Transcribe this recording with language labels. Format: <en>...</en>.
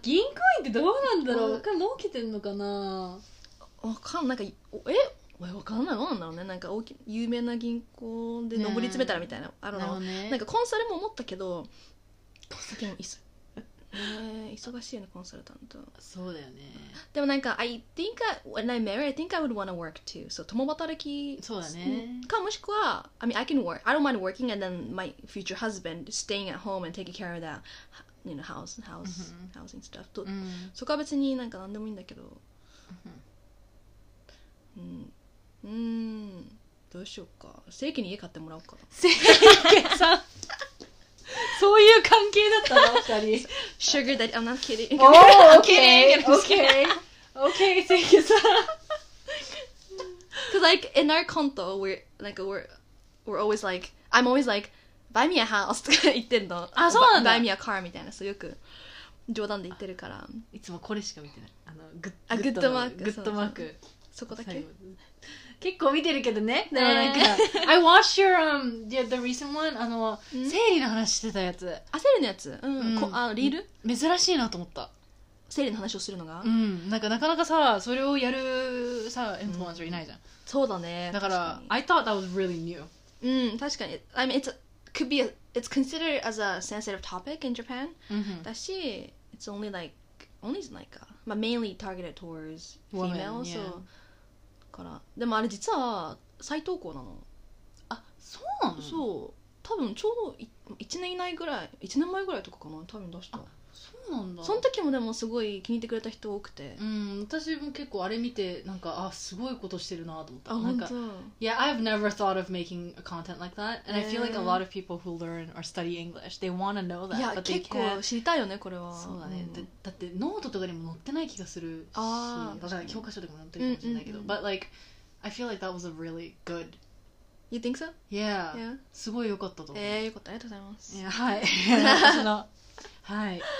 <ja>銀行員ってどうなんだろう、儲けてんのかな。わかんない。なんか、わかんない。どうなんだろうね。なんか大き、有名な銀行で上り詰めたらみたいな。あるの。なんかコンサルも思ったけど、コンサルも急い。忙しいのコンサルタント。そうだよね。でもなんか</ja> <en>I think I, when I marry, I think I would want to work too.</en> <ja>So 共働き。そうだね。かもしくは</ja> <en>I mean I can work. I don't mind working and then my future husband staying at home and taking care of that, you know, house、mm-hmm. housing stuff. と、mm-hmm.</en> <ja>そこは別になんか何でもいいんだけど。 Mm-hmm. うん。どうしようか。正規に家買ってもらおうか。正規さん。そういう関係だったの二人。</ja> <en>Sugar daddy, I'm not kidding. Oh, okay, okay, okay. Okay, thank you, sir. Cause like in our konto, we're always like, I'm always like, buy me a house</en> <ja>とか言ってんの。あ、そうなんだ。</ja> <en>Buy me a car</en> <ja>みたいな、そうよく冗談で言ってるから。いつもこれしか見てない。あのグッ、あ、グッドマーク、グッドマーク。そこだけ。結構見てるけどね。でもなんか、</ja> <en>I watched your, yeah, the recent one,</en> <ja>あの、生理の話してたやつ。あ、生理のやつ、うん、うん。あ、リール珍しいなと思った。生理の話をするのが、うん。なんかなかなかさ、それをやるさ、インフルエンサーいないじゃん。うん、そうだね。</ja> <en>だから、I thought that was really new.</en> <ja>うん、確かに。</ja> <en>I mean, it could be, it's considered as a sensitive topic in Japan.、</en> <ja>うん、だし、</ja> <en>it's only like, only is like, a, mainly targeted towards female, so.、 Yeah.</en> <ja>からでもあれ実は再投稿なの。あ、そうなの。そう、多分ちょうど1年以内ぐらい、1年前ぐらいとかかな、多分出した。あ、そうなんだ。その時もでもすごい気に入ってくれた人多くて、うん、私も結構あれ見てなんか、あ、すごいことしてるなと思った。あ、</ja> <en>なんか、Yeah, I've never thought of making a content like that and I feel like a lot of people who learn or study English they want to know that.</en> <ja>いや、結構知りたいよねこれは。そうだね、うん、だってノートとかにも載ってない気がするし、あ、だから教科書とかも載ってるかもしれないけど、うんうんうん、</ja> <en>but like I feel like that was a really good You think so? Yeah. Yeah.</en> <ja>すごい良かったと思う。よかった。ありがとうございます。 Yeah, はい。私の。はい。</ja>